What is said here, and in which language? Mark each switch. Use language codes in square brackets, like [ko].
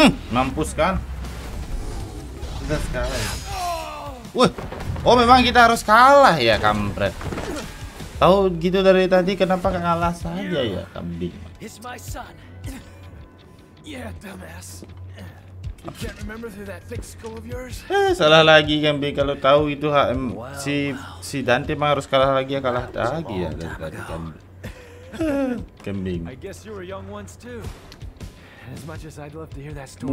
[id] Mampus kan? Susah sekali. Wih. Oh, memang kita harus kalah ya, kampret. Tahu gitu dari tadi kenapa kalah saja ya, kambing. [en] It's my son. Yeah, dumbass. You can't remember through that thick skull of yours? [id] Salah lagi, kambing. Kalau tahu itu HM, si Dante memang harus kalah lagi ya, kalah lagi ya dari tadi, kambing. Kambing. [en] I guess you were young once too. As much as I'd love to hear that story.